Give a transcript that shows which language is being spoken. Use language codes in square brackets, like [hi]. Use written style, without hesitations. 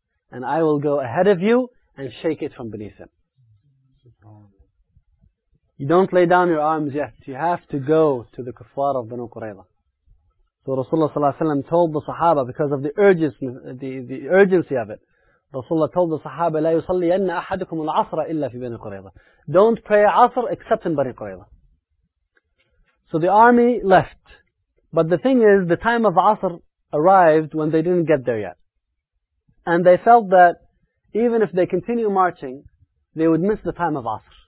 [en] And I will go ahead of you and shake it from beneath him. You don't lay down your arms yet. You have to go to the kuffar of Banu Qurayzah. So Rasulullah ﷺ told the Sahaba, because of the urgency of it, Rasulullah told the Sahaba, [ar] لا يصلي أن أحدكم العصر إلا في بني قريظة. [en] Don't pray عصر except in بني قريظة. So the army left. But the thing is, the time of عصر arrived when they didn't get there yet. And they felt that even if they continue marching, they would miss the time of عصر.